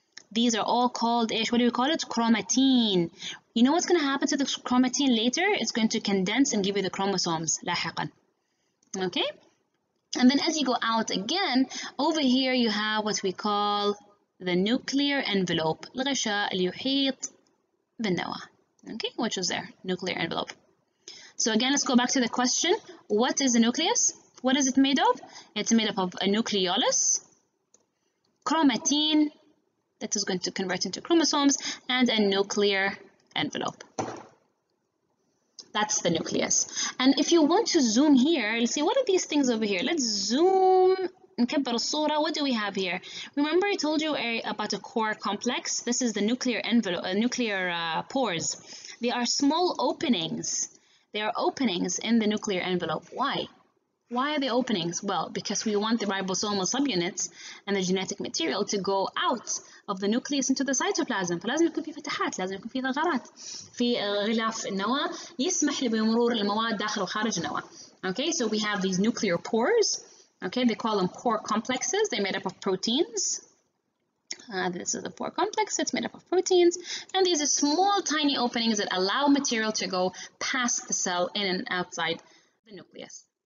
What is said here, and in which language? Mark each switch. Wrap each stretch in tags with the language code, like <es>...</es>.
<en>These are all called, what do we call it? Chromatin. You know what's going to happen to the chromatin later? It's going to condense and give you the chromosomes</en> <ar>لاحقا.</ar> <en>Okay? And then as you go out again, over here you have what we call the nuclear envelope.</en> <ar>الغشاء اللي يحيط بالنواة.</ar> <en>Okay, which is there, nuclear envelope. So again, let's go back to the question. What is a nucleus? What is it made of? It's made up of a nucleolus, chromatin, that is going to convert into chromosomes, and a nuclear envelope. That's the nucleus. And if you want to zoom here, let's see, what are these things over here? Let's zoom.</en> <ar>نكبر الصورة.</ar> <en>What do we have here? Remember I told you about a core complex? This is the nuclear envelope, nuclear pores. They are small openings. They are openings in the nuclear envelope. Why? Why are they openings? Well, because we want the ribosomal subunits and the genetic material to go out of the nucleus into the cytoplasm.</en> <ar>فلازم يكون في فتحات، لازم يكون في ثغرات، في غلاف النواة يسمح بمرور المواد داخل وخارج النواة.</ar> <en>Okay, so we have these nuclear pores. Okay, they call them pore complexes. They're made up of proteins. This is a pore complex. It's made up of proteins. And these are small, tiny openings that allow material to go past the cell in and outside the nucleus.</en>